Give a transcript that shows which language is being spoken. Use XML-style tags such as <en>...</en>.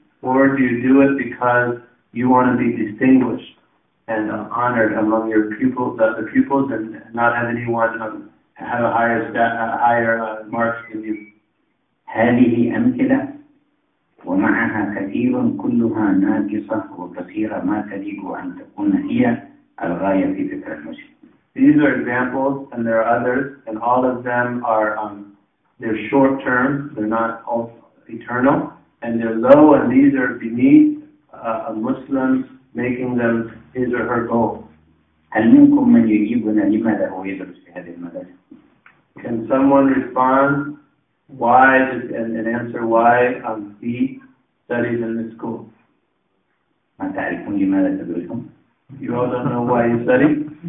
<en>Or do you do it because you want to be distinguished and honored among your pupils, the pupils, and not have anyone have a higher marks than you?</en> <ar>هذه أمثلة ومعها كثير كلها ناقصة وكثيرة ما تليق أن تكون هي الغاية في فكر المسلم.</ar> <en>These are examples and there are others and all of them are they're short term, they're not eternal and they're low and these are beneath a Muslim making them his or her goal.</en> <ar>هل منكم من يجيبنا لماذا هو يدرس في هذه المدرسة؟</ar> <en>Can someone respond why and answer why he studies in this school?</en> <ar>ما تعرفون لماذا تدرسون؟</ar> <en>You all don't know why you study?</en>